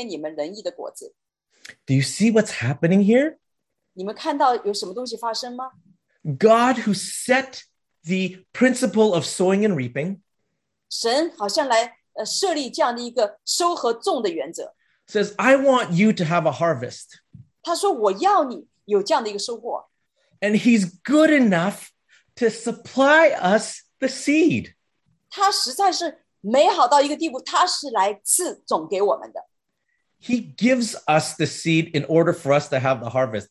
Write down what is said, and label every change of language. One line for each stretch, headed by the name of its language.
Chinese: 哥林多后书9:10，那赐种给撒种的，赐粮给人吃的，必多多加给你们种地的种子，又增添你们仁义的果子。
English: Do you see what's happening here?
Chinese: 你们看到有什么东西发生吗？
English: God who set the principle of sowing and reaping,
Chinese: 神好像来设立这样的一个收和种的原则，
English: says, I want you to have a harvest.
Chinese: 他说我要你有这样的一个收获。
English: And he's good enough to supply us the seed.
Chinese: 他实在是美好到一个地步，他是来赐种给我们的。
English: He gives us the seed in order for us to have the harvest.